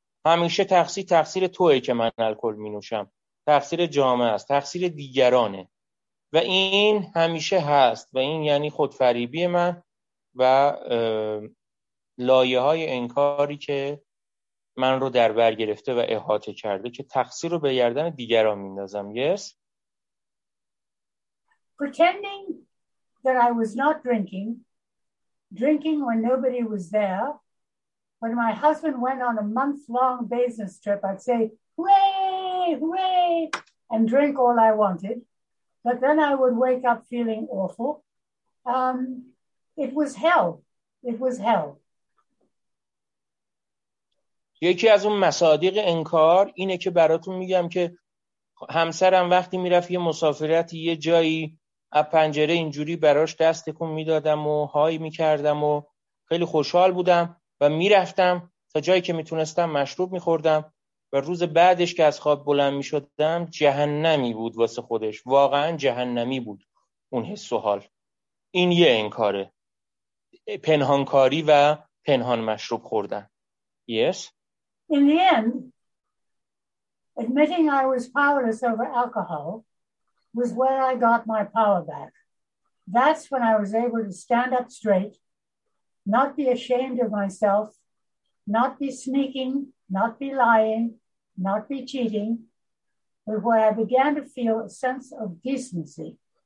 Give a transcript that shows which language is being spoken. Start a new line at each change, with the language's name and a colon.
Persian: همیشه تقصیر توئه که من الکل می نوشم. تقصیر جامعه است، تقصیر دیگرانه. و این همیشه هست و این یعنی خودفریبی من و لایه های انکاری که من رو در بر گرفته و احاطه کرده که تقصیر رو به گردن دیگران میندازم.
English: Yes. Pretending that I was not drinking when nobody was there, when my husband went on a month long business trip, I'd say hooray and drink all I wanted, but then I would wake up feeling awful. It was hell.
Persian: یکی از اون مصادیق انکار اینه که براتون میگم که همسرم وقتی میرفت یه مسافرت یه جایی، از پنجره اینجوری براش دست تکون میدادم و های میکردم و خیلی خوشحال بودم و میرفتم تا جایی که میتونستم مشروب میخوردم و روز بعدش که از خواب بلند میشدم جهنمی بود واسه خودش، واقعا جهنمی بود اون حس و حال. این یه انکاره، پنهانکاری و پنهان مشروب خوردن.
English: Yes. In the end, admitting I was powerless over alcohol was where I got my power back. That's when I was able to stand up straight, not be ashamed of myself, not be sneaking, not be lying, not be cheating, but where I began to feel a sense of decency.